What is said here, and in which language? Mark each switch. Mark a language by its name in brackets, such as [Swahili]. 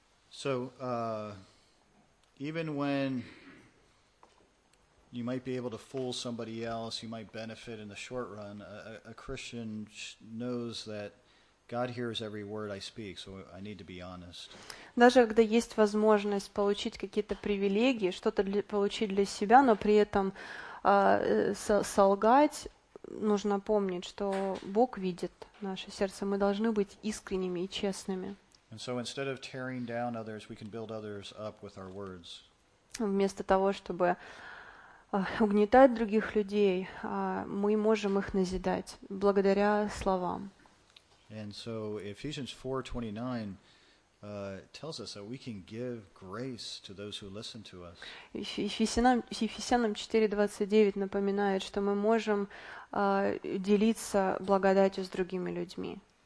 [English] So, even when you might be able to fool somebody else, you might benefit in the short run, a Christian knows that God hears every word I speak, so I need to be honest. [Russian] Даже когда есть возможность получить какие-то привилегии, что-то получить для себя, но при этом солгать, нужно помнить, что Бог видит наше сердце. Мы должны быть искренними и честными. [English] And so instead of tearing down others, we can build others up with our words. [Russian] Вместо того, чтобы угнетать других людей, мы можем их назидать благодаря словам. [English] And so Ephesians 4:29 tells us that we can give grace to those who listen to us. [Russian] Ефесянам 4:29 напоминает, что мы можем делиться благодатью с другими людьми.